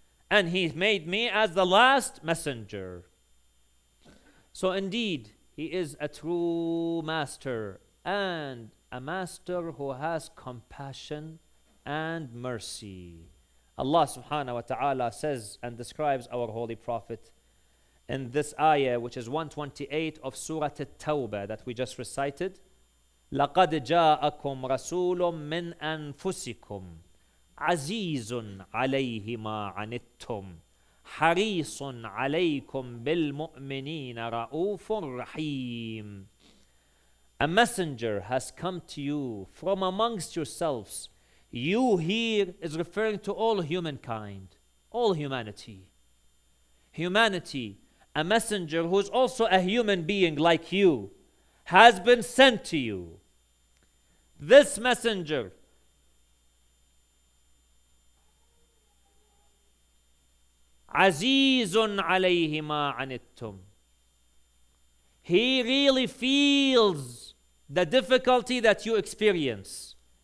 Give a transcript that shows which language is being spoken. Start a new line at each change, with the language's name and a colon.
English: And he made me as the last messenger. So indeed, he is a true master, and a master who has compassion and mercy. Allah subhanahu wa ta'ala says and describes our holy prophet in this ayah, which is 128 of Surah At-Tawbah that we just recited.
Arabic: لَقَدْ جَاءَكُمْ رَسُولٌ مِّنْ أَنفُسِكُمْ عَزِيزٌ عَلَيْهِ مَا عَنِتُّمْ حَرِيصٌ عَلَيْكُمْ بِالْمُؤْمِنِينَ رَؤُوفٌ رَحِيمٌ
English: A messenger has come to you from amongst yourselves. You here is referring to all humankind, all humanity. Humanity, a messenger who is also a human being like you, has been sent to you. This messenger
Arabic: عَزِيزٌ عَلَيْهِ مَا عَنِتُّمْ
English: He really feels the difficulty that you experience.